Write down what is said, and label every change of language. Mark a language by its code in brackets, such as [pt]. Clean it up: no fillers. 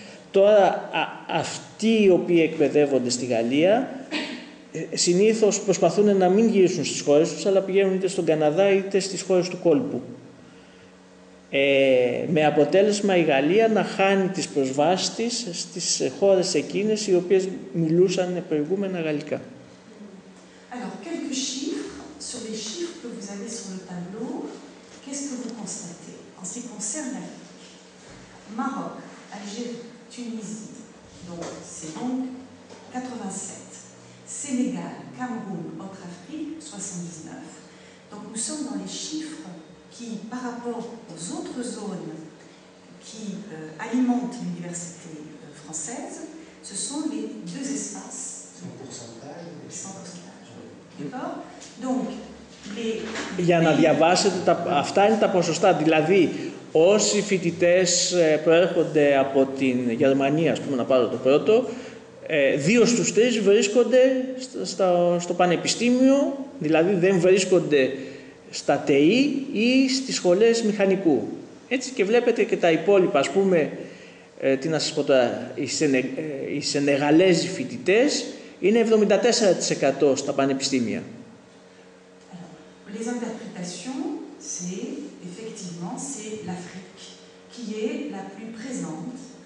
[el] Τώρα, αυτοί οι οποίοι εκπαιδεύονται στη Γαλλία συνήθως προσπαθούν να μην γυρίσουν στις χώρες τους, αλλά πηγαίνουν είτε στον Καναδά είτε στις χώρες του κόλπου. Με αποτέλεσμα η Γαλλία να χάνει τις προσβάσεις της στις χώρες εκείνες οι οποίες μιλούσαν προηγούμενα γαλλικά. [fr] Alors, quelques chiffres, sur les chiffres que vous avez sur le tableau, qu'est-ce que vous constatez en ce qui concerne l'Afrique? Maroc, Algérie, Tunisie, donc c'est donc 87. Sénégal, Cameroun, autre Afrique, 79. Donc nous sommes dans les chiffres qui, par rapport aux autres zones qui alimentent l'université française, ce sont les deux espaces. Sans pourcentage. Sans pourcentage. D'accord. Donc les. [el] Για να διαβάσετε αυτά είναι τα ποσοστά, δηλαδή. Όσοι φοιτητές προέρχονται από την Γερμανία, ας πούμε, να πάρω το πρώτο, δύο στους τρεις βρίσκονται στο πανεπιστήμιο, δηλαδή δεν βρίσκονται στα ΤΕΗ ή στις σχολές μηχανικού. Έτσι και βλέπετε και τα υπόλοιπα, ας πούμε, τι να σας πω τώρα, οι Σενεγαλέζοι φοιτητές είναι 74% στα πανεπιστήμια. [fr] Alors, les interprétations, c'est effectivement, c'est l'Afrique qui est la plus présente.